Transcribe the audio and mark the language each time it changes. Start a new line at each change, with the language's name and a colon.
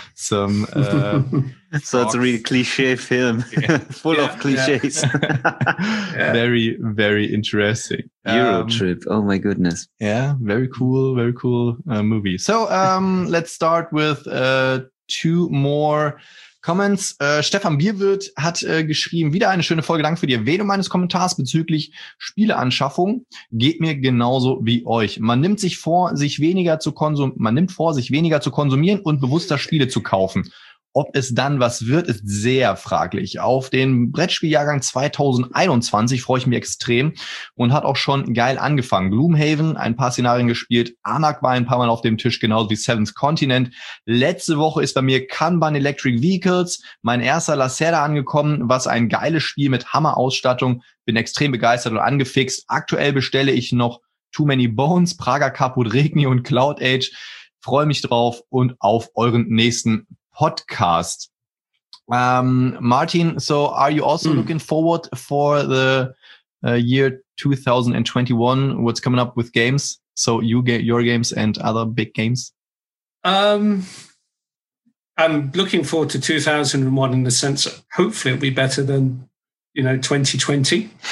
English: So it's a really cliche film, full of cliches. Yeah. Very, very interesting. Eurotrip. Oh my goodness. Yeah, very cool. Very cool movie. So let's start with two more Comments.
German: Stefan Bierwirt hat geschrieben, wieder eine schöne Folge, danke für die Erwähnung meines Kommentars bezüglich Spieleanschaffung. Geht mir genauso wie euch. Man nimmt vor, sich weniger zu konsumieren und bewusster Spiele zu kaufen. Ob es dann was wird, ist sehr fraglich. Auf den Brettspieljahrgang 2021 freue ich mich extrem und hat auch schon geil angefangen. Gloomhaven, ein paar Szenarien gespielt. Anak war ein paar Mal auf dem Tisch, genauso wie Seventh Continent. Letzte Woche ist bei mir Kanban Electric Vehicles, mein erster Lacerda angekommen. Was ein geiles Spiel mit Hammerausstattung. Bin extrem begeistert und angefixt. Aktuell bestelle ich noch Too Many Bones, Prager Caput Regni und Cloud Age. Freue mich drauf und auf euren nächsten Podcast.
English: Martin, so are you also looking forward for the year 2021? What's coming up with games? So you get your games and other big games? I'm looking forward to 2001 in the sense that hopefully it'll be better than, you know, 2020.